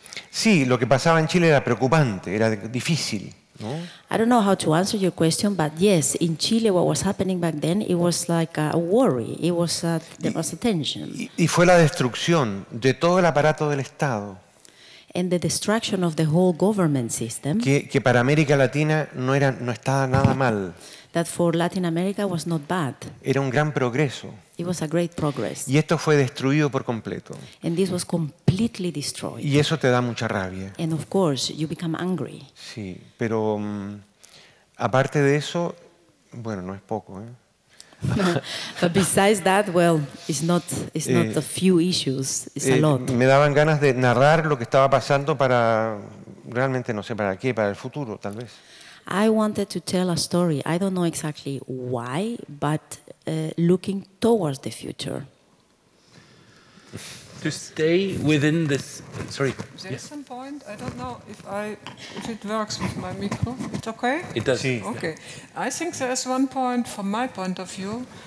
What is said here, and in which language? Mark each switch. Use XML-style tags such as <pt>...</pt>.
<es>Sí, lo que pasaba en Chile era preocupante, era difícil, ¿no?</es> <en>I don't know how to answer your question, but yes, in Chile what was happening back then, it was like a worry, there was a tension.</en> <es>Y fue la destrucción de todo el aparato del Estado.</es> <en>And the destruction of the whole government system.</en> <es>Que para América Latina no estaba nada mal.</es> <en>That for Latin America was not bad.</en> <es>Era un gran progreso.</es> <en>It was a great progress.</en> <es>Y esto fue destruido por completo.</es> <en>And this was completely destroyed.</en> <es>Y eso te da mucha rabia.</es> <en>And of course, you become angry.</en> <es>Sí, pero aparte de eso, bueno, no es poco, ¿eh?</es> <en>But besides that, well, it's not a few issues. It's a lot.</en> <es>Me daban ganas de narrar lo que estaba pasando para realmente no sé para qué, para el futuro, tal vez.</es> <en>I wanted to tell a story. I don't know exactly why, but looking towards the future. To stay within this. Sorry. There's some point. I don't know if it works with my micro. It's okay? It does. Okay. Yeah. I think there's one point from my point of view.</en>